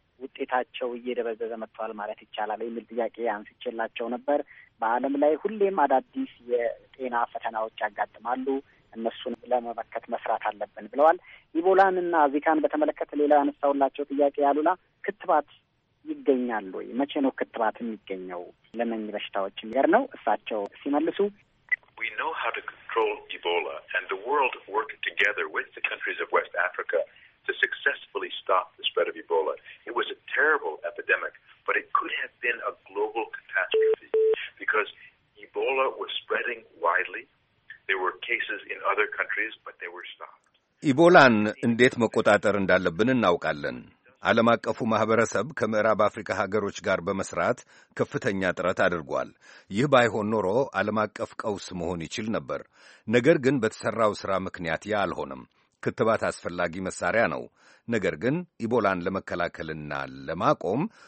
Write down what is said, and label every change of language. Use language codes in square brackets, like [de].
[am] ውጤታቸው እየደበዘዘ መጥቷል ማለት ይቻላል የሚል ጥያቄ አንስቼላቸው ነበር። በዓለም ላይ ሁሌም አዳዲስ የጤና ፈተናዎች ያጋጥማሉ፣ እነሱን ለመበከት መስራት አለብን ብለዋል። ኢቦላንና ዚካን በተመለከተ ሌላ አነሳውላቸው ጥያቄ ያሉና ክትባት ይገኛል ወይ? መቼ ነው ክትባት የሚገኘው? ለምን በሽታዎች ይገር ነው? እሳቸው ሲመልሱ [en] We know how to control Ebola and the world worked together with the countries of West Africa to successfully stop the spread of Ebola. It was a terrible epidemic, but it could have been a global catastrophe because Ebola was spreading widely. There were cases in other countries, but they were stopped. [am] ኢቦላን እንዴት መቆጣጠር እንዳለብን እናውቃለን። ዓለም አቀፉ ማህበረሰብ ከምዕራብ አፍሪካ ሀገሮች ጋር በመስራት ከፍተኛ ጥረት አድርጓል። ይህ ባይሆን ኖሮ ዓለም አቀፍ ቀውስ መሆን ይችል ነበር። ነገር ግን በተሰራው ሥራ ምክንያት ያ አልሆነም። ክትባት አስፈላጊ መሳሪያ ነው። ነገር ግን ኢቦላን ለመከላከልና ለማቆም